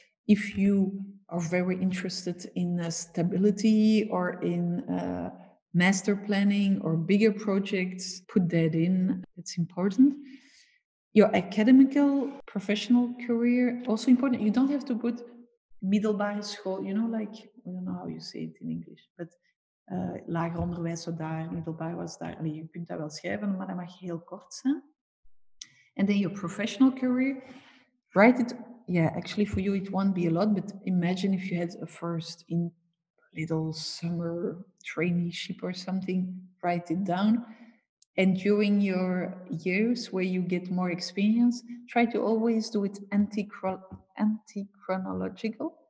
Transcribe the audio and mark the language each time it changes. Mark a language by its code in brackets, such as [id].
[en] If you are very interested in stability or in master planning or bigger projects, put that in. It's important. Your academical professional career, also important. You don't have to put middelbare school, you know, like, I don't know how you say it in English, but [nl] lager onderwijs was daar, middelbaar was daar. Allee, je kunt dat wel schrijven, maar dat mag heel kort zijn. [en] And then your professional career, write it. Yeah, actually for you it won't be a lot, but imagine if you had a first in little summer traineeship or something, write it down. And during your years where you get more experience, try to always do it anti-chronological.